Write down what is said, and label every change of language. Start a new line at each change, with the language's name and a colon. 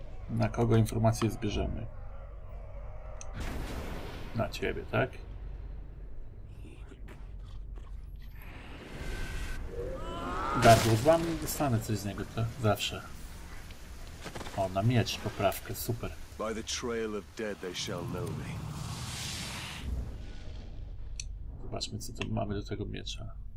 Polish: Na kogo informacje zbierzemy? Na ciebie, tak? Gardło z wami, dostanę coś z niego, to zawsze. O, na miecz poprawkę, super.
English: By the trail of dead they shall know me.
Polish: Zobaczmy, co to mamy do tego miecza.